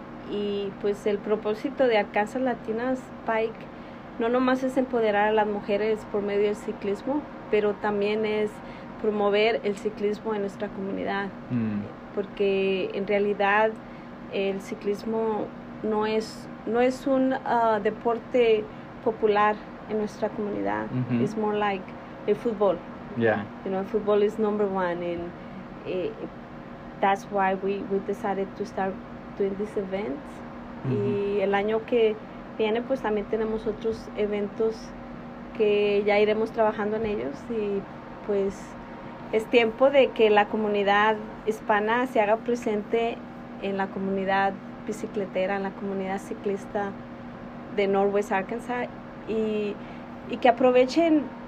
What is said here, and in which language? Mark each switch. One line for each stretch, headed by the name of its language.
Spanish: Y pues el propósito de Arkansas Latinas Bike no nomás es empoderar a las mujeres por medio del ciclismo, pero también es promover el ciclismo en nuestra comunidad. Mm. Porque en realidad el ciclismo no es un deporte popular en nuestra comunidad. Mm-hmm.
English: It's more like
Spanish: el fútbol.
English: Yeah. You know, football is number one, and that's why we decided to start doing this event. Mm-hmm.
Spanish: Y el año que viene, pues también tenemos otros eventos que ya iremos trabajando en ellos. Y pues es tiempo de que la comunidad hispana se haga presente en la comunidad bicicletera, en la comunidad ciclista de Northwest Arkansas, y que aprovechen.